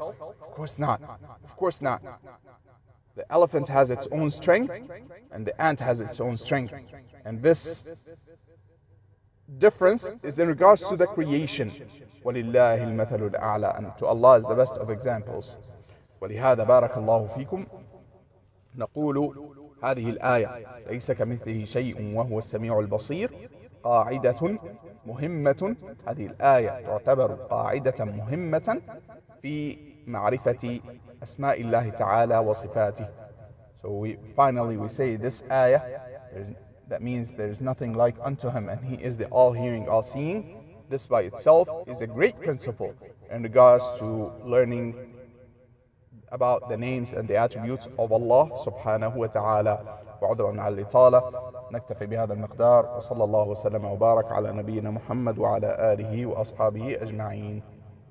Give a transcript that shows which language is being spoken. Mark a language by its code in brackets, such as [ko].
[en] Of course not. Of course not. The elephant has its own strength, and the ant has its own strength. And this difference is in regards to the creation. [ar] وَلِلَّهِ الْمَثَلُ الْأَعْلَىٰ. [en] And to Allah is the best of examples. [ar] ولهذا بارك الله فيكم نقول هذه الآية ليس كمثله شيء وهو السميع البصير قاعدة مهمة. هذه الآية تعتبر قاعدة مهمة في معرفة أسماء الله تعالى وصفاته. [en] So we finally we say this ayah, that means there is nothing like unto him and he is the all-hearing, all-seeing. This by itself is a great principle in regards to learning about the names and the attributes of Allah سبحانه وتعالى. [ar] وعذرا على الإطالة، نكتفي بهذا المقدار، وصلى الله وسلم وبارك على نبينا محمد وعلى آله وأصحابه أجمعين.